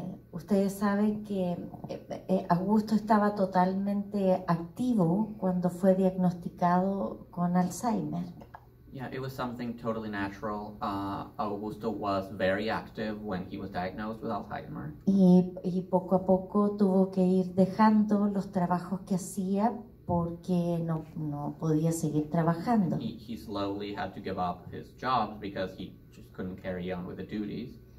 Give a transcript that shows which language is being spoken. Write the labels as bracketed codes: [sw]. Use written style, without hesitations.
[es] Ustedes saben que Augusto estaba totalmente activo cuando fue diagnosticado con Alzheimer. [en] Yeah, it was something totally natural. Augusto was very active when he was diagnosed with Alzheimer. [es] Y poco a poco tuvo que ir dejando los trabajos que hacía porque no podía seguir trabajando. [en] He slowly had to give up his job because he just couldn't carry on with the duties.